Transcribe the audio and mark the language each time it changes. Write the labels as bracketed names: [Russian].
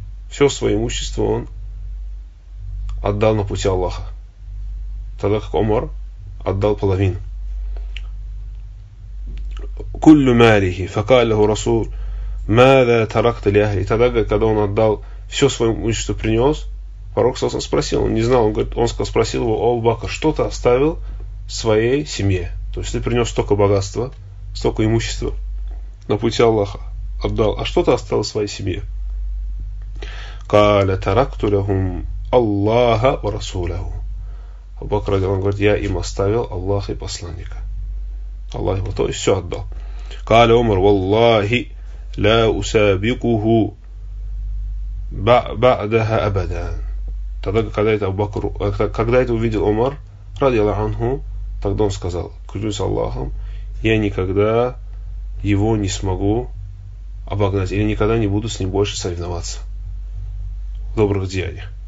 [Russian] Все свое имущество он отдал на пути Аллаха. Тогда как Умар отдал половину. [Arabic] كل ماله فقال له رسول ماذا تركت لأهلي. [Russian] И тогда, когда он отдал все свое имущество, принес, пророк Саусан спросил, он не знал, он сказал, спросил его: «О, Бакр, что ты оставил своей семье?» То есть ты принес столько богатства, столько имущества на пути Аллаха отдал, а что ты оставил своей семье? [Arabic] قال تركت لهم الله ورسوله. [Russian] Бакр радиллаху анху говорит: я им оставил Аллаха и посланника. Аллах его, то есть все отдал. [Arabic] Каля Умар: «Валлахи ла усабикуху ба'даха абадан». [Russian] Тогда, когда это увидел Умар, ради Аллах анху, тогда он сказал, клянусь Аллахом, я никогда его не смогу обогнать, или никогда не буду с ним больше соревноваться в добрых деяниях.